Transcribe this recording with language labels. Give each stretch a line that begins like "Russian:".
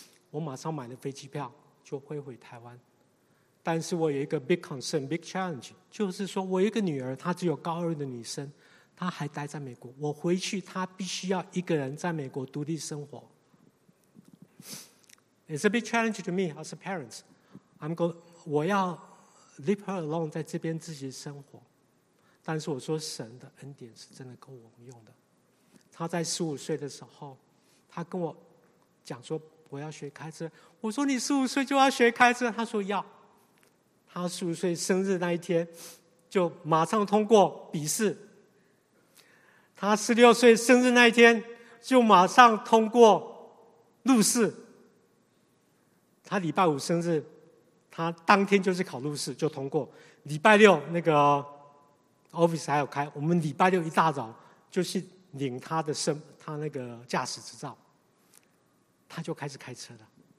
Chinese: 我马上买了飞机票，就飞回台湾。但是我有一个 big concern， big challenge，就是说我有一个女儿，她只有高二的女生，她还待在美国。我回去，她必须要一个人在美国独立生活。
English: It's a big challenge to me as a parent. I'm going to leave her alone 在这边自己生活。
Chinese: 但是我说神的恩典是真的够我们用的。他在十五岁的时候他跟我讲说我要学开车，我说你十五岁就要学开车，他说要。他十五岁生日那一天就马上通过笔试，他十六岁生日那一天就马上通过路试，他礼拜五生日他当天就是考路试就通过，礼拜六那个 office 还有开，我们礼拜六一大早就去领他的他那个驾驶执照，他就开始开车了。